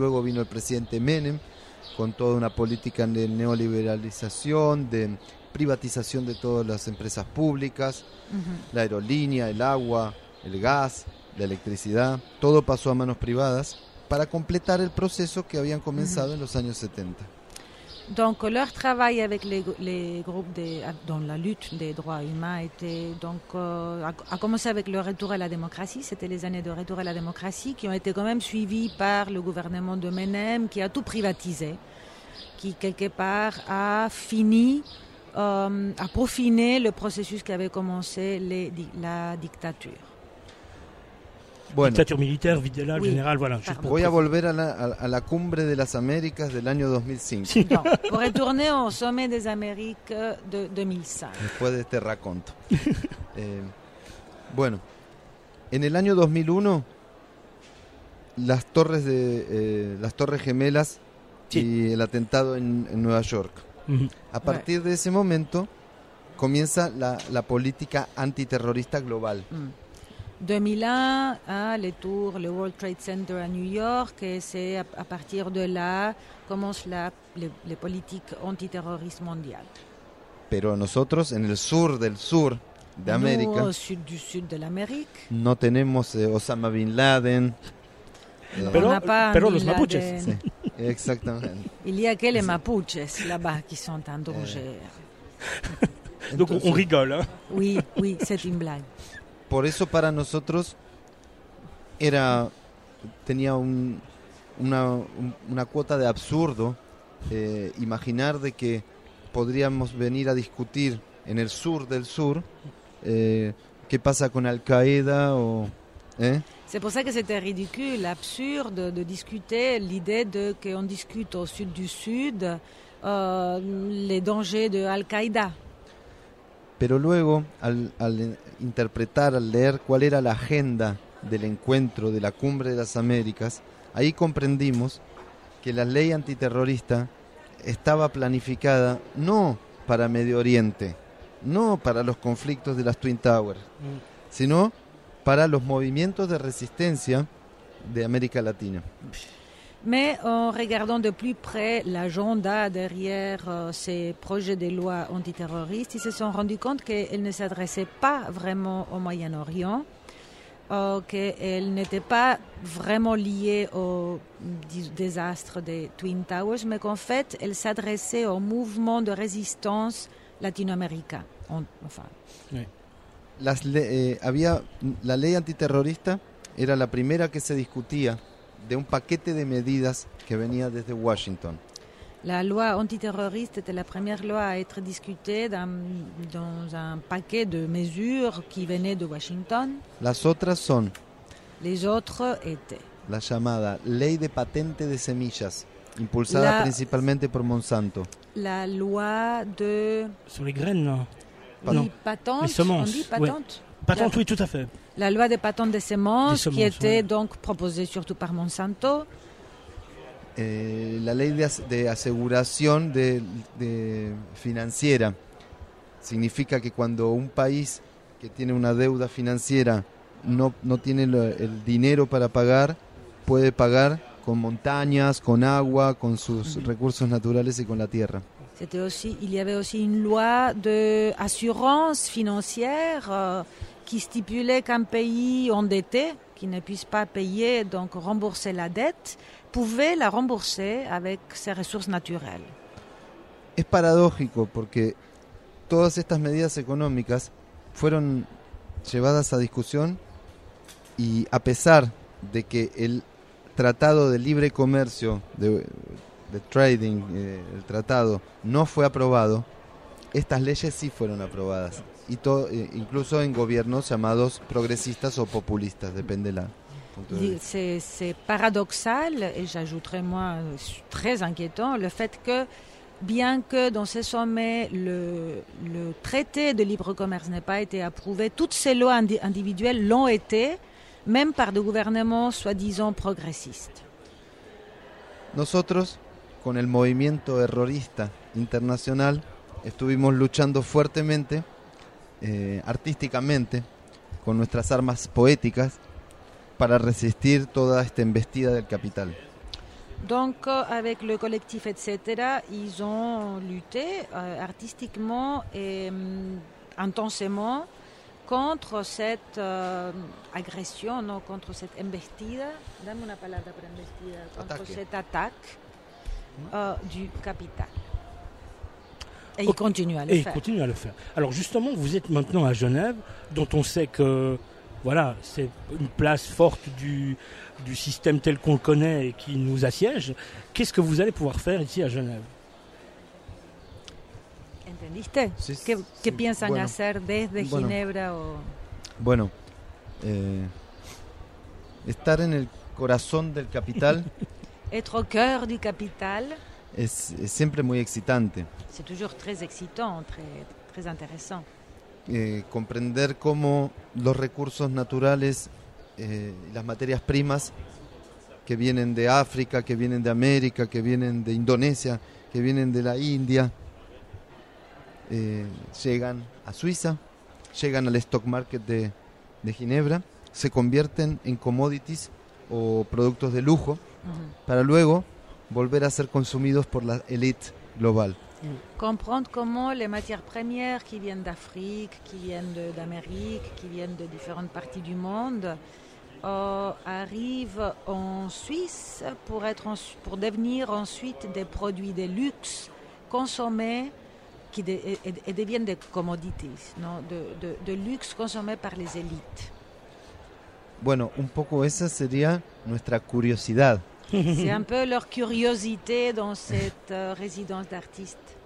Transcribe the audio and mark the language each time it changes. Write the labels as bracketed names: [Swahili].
[Spanish] Luego vino el presidente Menem con toda una política de neoliberalización, de privatización de todas las empresas públicas, uh-huh, la aerolínea, el agua, el gas, la electricidad. Todo pasó a manos privadas para completar el proceso que habían comenzado, uh-huh, en los años 70. [French] Donc leur travail avec les groupes dans la lutte des droits humains était donc a commencé avec le retour à la démocratie. C'était les années de retour à la démocratie qui ont été quand même suivies par le gouvernement de Menem, qui a tout privatisé, qui quelque part a fini, a peaufiné le processus qui avait commencé la dictature. Bueno, dictature militaire, Videla, oui, général, voilà. Juste pour... [Spanish] Voy a volver a la cumbre de las Américas del año 2005. Sí. [French] Non, pour retourner au sommet des Amériques de 2005. [Spanish] Después de este raconto. Bueno, en el año 2001, las torres gemelas, sí, y el atentado en Nueva York. Uh-huh. A partir, ouais, de ese momento, comienza la política antiterrorista global. Uh-huh. [French] 2001, hein, les tours, le World Trade Center à New York, et c'est à partir de là commence les politiques antiterroristes mondiales. [Spanish] Pero nosotros en el sur del sur de América. [French] Nous au sud du sud de l'Amérique. [Spanish] No tenemos Osama bin Laden. Pero los Mapuches. Sí, exactamente. [French] Il y a que les Mapuches là-bas qui sont en danger. Donc on rigole. Hein. Oui, oui, c'est une blague. [Spanish] Por eso para nosotros era, tenía una cuota de absurdo imaginar de que podríamos venir a discutir en el sur del sur qué pasa con Al-Qaeda o... [French] C'est pour ça que c'était ridicule, absurde de discuter l'idée de qu'on discute au sud du sud les dangers de Al-Qaeda. [Spanish] Pero luego, al interpretar, al leer cuál era la agenda del encuentro de la Cumbre de las Américas, ahí comprendimos que la ley antiterrorista estaba planificada no para Medio Oriente, no para los conflictos de las Twin Towers, sino para los movimientos de resistencia de América Latina. [French] Mais en regardant de plus près l'agenda derrière ces projets de loi antiterroristes, ils se sont rendus compte qu'elles ne s'adressaient pas vraiment au Moyen-Orient, qu'elles n'étaient pas vraiment liées au désastre des Twin Towers, mais qu'en fait, elles s'adressaient au mouvement de résistance latino-américain. Enfin. Oui. [Spanish] La ley antiterrorista era la primera que se discutía de un paquete de medidas que venía desde Washington. [French] La loi antiterroriste était la première loi à être discutée dans un paquet de mesures qui venait de Washington. [Spanish] Las otras son... [French] Les autres étaient... [Spanish] La llamada ley de patente de semillas, impulsada principalmente por Monsanto. [French] La loi de... Sur les graines, non? Non. Patente, les semences. On dit patente, ouais. Patente, oui, tout à fait. La loi des patentes des semences, qui était, ouais, donc proposée surtout par Monsanto. [Spanish] La ley de aseguración de financiera. Significa que cuando un país que tiene una deuda financiera no tiene el dinero para pagar, puede pagar con montañas, con agua, con sus, mm-hmm, recursos naturales y con la tierra. [French] Il y avait aussi une loi d'assurance financière qui stipulait qu'un pays endetté, qui ne puisse pas payer, donc rembourser la dette, pouvait la rembourser avec ses ressources naturelles. [Spanish] Es paradójico porque todas estas medidas económicas fueron llevadas a discusión y a pesar de que el tratado de libre comercio de trading, el tratado no fue aprobado, estas leyes sí fueron aprobadas. y incluso en gobiernos llamados progresistas o populistas, depende de la punto de vista. [French] C'est paradoxal, et j'ajouterais moi très inquiétant, le fait que bien que dans ces sommets, le traité de libre-commerce n'ait pas été approuvé, toutes ces lois individuelles l'ont été, même par des gouvernements soi-disant progressistes. [Spanish] Nosotros, con el movimiento errorista internacional, estuvimos luchando fuertemente, artísticamente, con nuestras armas poéticas, para resistir toda esta embestida del capital. [French] Donc, avec le collectif etc., ils ont lutté artistiquement et intensément contre cette agression, non, contre cette embestida, [Spanish] dame una palabra para embestida, [French] contre [Spanish] ataque. [French] Cette attaque du capital. Et ils continuent à le faire. Et ils continuent à le faire. Alors justement, vous êtes maintenant à Genève, dont on sait que voilà, c'est une place forte du système tel qu'on le connaît et qui nous assiège. Qu'est-ce que vous allez pouvoir faire ici à Genève? [Spanish] ¿Entendiste? ¿Qué piensan bueno, hacer desde bueno, Ginebra? O... Bueno, estar en el corazón del capital. [French] Être au cœur du capital. [Spanish] Es siempre muy excitante. [French] C'est toujours très excitant, très, très intéressant. [Spanish] Comprender cómo los recursos naturales, las materias primas que vienen de África, que vienen de América, que vienen de Indonesia, que vienen de la India, llegan a Suiza, llegan al stock market de Ginebra, se convierten en commodities o productos de lujo, para luego volver a ser consumidos por la élite global. [French] Comprendre comment les matières premières qui viennent d'Afrique, qui viennent d'Amérique, qui viennent de différentes parties du monde arrivent en Suisse pour devenir ensuite des produits de luxe consommés et deviennent des commodités, non, de luxe consommés par les élites. [Spanish] Bueno, un poco esa sería nuestra curiosidad. [French] C'est un peu leur curiosité dans cette résidence d'artiste.